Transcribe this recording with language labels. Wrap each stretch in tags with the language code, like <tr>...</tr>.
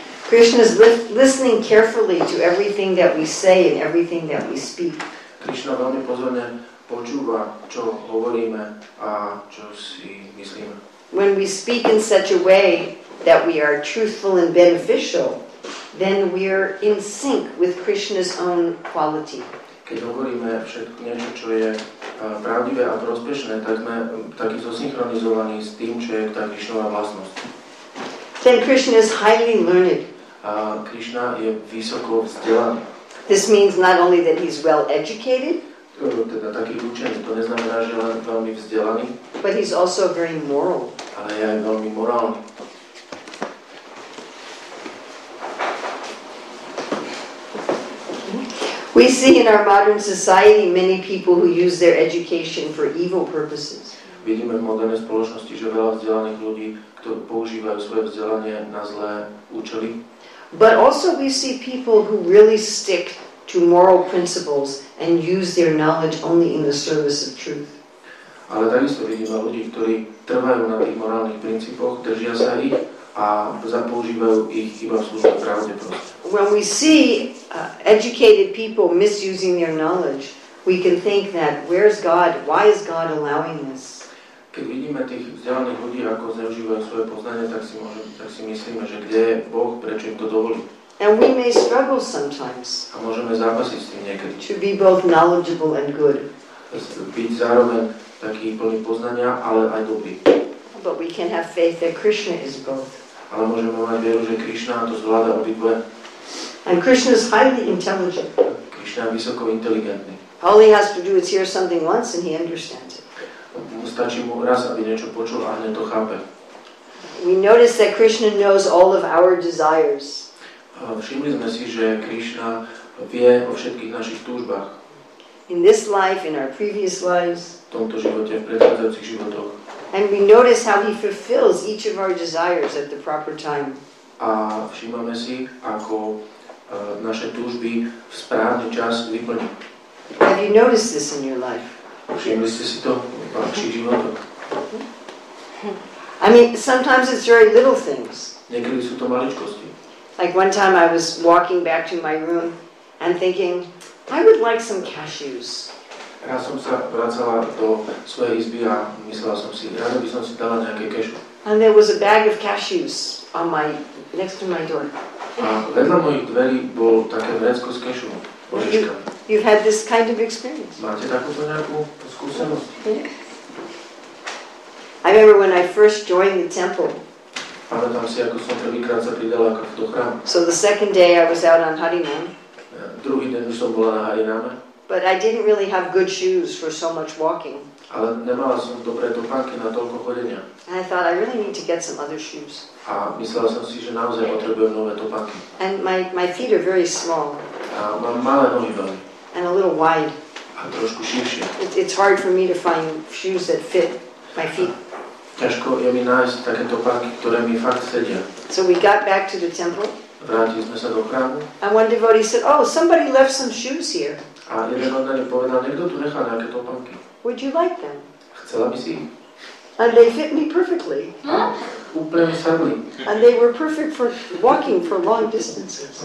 <en>Krishna is listening carefully to everything that we say and everything that we speak.</en> <sk>Krishna veľmi pozorne počúva, čo hovoríme a čo si myslíme.</sk> <en>When we speak in such a way that we are truthful and beneficial, then we are in sync with Krishna's own quality.</en> <sk>Keď hovoríme všetko niečo, čo je pravdivé a prospešné, tak sme takisto synchronizovaní s tým, čo je tá Krishnova vlastnosť.</sk> <en>Then Krishna is highly learned.</en> <sk>Krishna je vysoko vzdelaný.</sk> <en>This means not only that he's well educated.</en> <sk>Teda taký učený, to neznamená, že len veľmi vzdelaný.</sk> <en>But he's also very moral.</en> <sk>Ale je aj veľmi morálny.</sk> <en>We see in our modern society many people who use their education for evil purposes.</en> <sk>Vidíme v modernej spoločnosti, že veľa vzdelaných ľudí, ktorí používajú svoje vzdelanie na zlé účely.</sk> <en>But also we see people who really stick to moral principles and use their knowledge only in the service of truth.</en> <sk>Ale takisto vidíme ľudí, ktorí trvajú na tých morálnych princípoch, držia sa ich a zapoužívajú ich iba v službe pravde.</sk> <en>When we see educated people misusing their knowledge, we can think that where's God? Why is God allowing this?</en> <sk>Keď vidíme tých vzdelaných ľudí, ako zneužívajú svoje poznanie, tak si myslíme, že kde je Boh, prečo im to dovolí.</sk> <en>And we may struggle sometimes.</en> <sk>A môžeme zápasiť s tým niekedy.</sk> <en>To be both knowledgeable and good.</en> <sk>Byť zároveň taký plný poznania, ale aj dobrý.</sk> <en>But we can have faith that Krishna is both.</en> <sk>Ale môžeme mať vieru, že Krishna to zvláda obidve.</sk> <en>And Krishna is highly intelligent.</en> <sk>Krishna je vysoko inteligentný.</sk> <en>All he has to do is hear something once and he understands it.</en> <sk>Stačí mu raz, aby niečo počul a hneď to chápe.</sk> <en>We notice that Krishna knows all of our desires.</en> <sk>Všimli sme si, že Krishna vie o všetkých našich túžbách.</sk> <en>In this life, in our previous lives.</en> <sk>V tomto živote, v predchádzajúcich životoch.</sk> <en>And we notice how he fulfills each of our desires at the proper time.</en> <sk>A všímame si, ako naše túžby v správny čas vyplní.</sk> <en>Have you noticed this in your life?</en> <sk>Všimli ste si to v vašich životoch?</sk> <en>I mean, sometimes it's very little things.</en> <sk>Niekedy sú to maličkosti.</sk> <en>Like one time I was walking back to my room and thinking, I would like some cashews.</en> <sk>Ja som sa vracala do svojej izby a myslela som si, rada by som si dala nejaké kešu.</sk> <en>And there was a bag of cashews on my next to my door.</en> <sk>A vedľa mojich dverí bol také vrecko s kešu.</sk> <en>You've had this kind of experience.</en> <sk>Máte takúto nejakú skúsenosť?</sk> <en>I remember when I first joined the temple.</en> <sk>Pamätám si, ako som prvýkrát sa pridala ako do chrámu.</sk> <en>So the second day I was out on Harinam.</en> <sk>Druhý deň už som bola na Hariname.</sk> <en>But I didn't really have good shoes for so much walking.</en> <sk>Ale nemala som dobré topánky na toľko chodenia.</sk> <en>And I thought I really need to get some other shoes.</en> <sk>A myslela som si, že naozaj potrebujem nové topánky.</sk> <en>And my feet are very small.</en> <sk>Mám malé nohy veľmi.</sk> <en>And a little wide.</en> <sk>A trošku širšie.</sk> <en>It's hard for me to find shoes that fit my feet.</en> <sk>Ťažko je mi nájsť také topánky, ktoré mi fakt sedia.</sk> <en>So we got back to the temple.</en> <sk>Vrátili sme sa do chrámu.</sk> <en>And one devotee said, oh, somebody left some shoes here.</en> <sk>A jeden oddaný povedal, niekto tu nechal nejaké topánky.</sk> <en>Would you like them?</en> <sk>Chcela by si?</sk> <en>And they fit me perfectly.</en> <sk>Úplne mi sadli.</sk> <en>And they were perfect for walking for long distances.</en>